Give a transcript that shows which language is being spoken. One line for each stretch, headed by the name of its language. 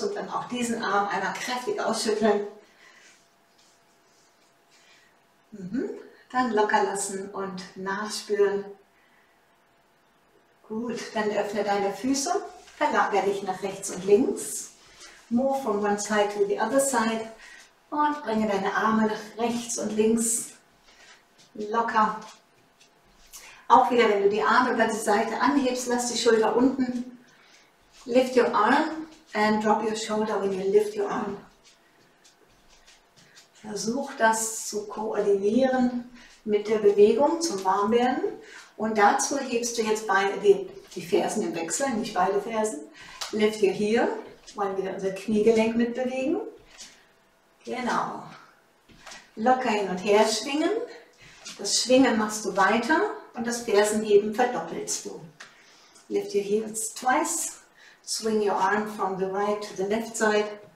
German: Und dann auch diesen Arm einmal kräftig ausschütteln. Dann locker lassen und nachspüren. Gut, dann öffne deine Füße, verlagere dich nach rechts und links
English: more from one side to the other side.
German: Und bringe deine Arme nach rechts und links locker. Auch wieder, wenn du die Arme über die Seite anhebst, lass die Schulter unten.
English: Lift your arm and drop your shoulder when you lift your arm.
German: Versuch das zu koordinieren mit der Bewegung zum Warmwerden. Und dazu hebst du jetzt die Fersen im Wechsel, nicht beide Fersen.
English: Lift your heel,
German: wollen wir unser Kniegelenk mitbewegen. Genau. Locker hin und her schwingen. Das Schwingen machst du weiter und das Fersenheben verdoppelst du.
English: Lift your heels twice. Swing your arm from the right to the left side.